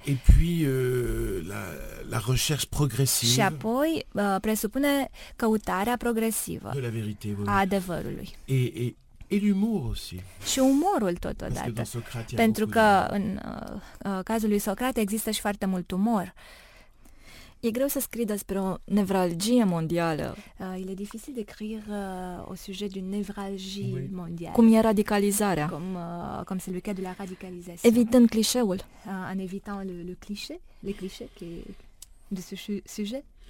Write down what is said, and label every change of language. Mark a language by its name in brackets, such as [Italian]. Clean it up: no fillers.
[French] Et puis, la recherche progressive. [Romanian] Și apoi presupune căutarea progresivă [French] de la vérité, [Romanian] a adevărului. [French] Et l'humour aussi. [Romanian] Și umorul totodată. Pentru că în cazul lui Socrate există și foarte mult umor. E greu să scrii despre o nevralgie mondială. [French] Il est difficile d'écrire au sujet d'une névralgie mondiale. [Romanian] Cum e radicalizarea? [French] Comme c'est le cas de la radicalisation. [Romanian] Evitând clișeul. [French] En évitant le cliché, les clichés qui de ce sujet.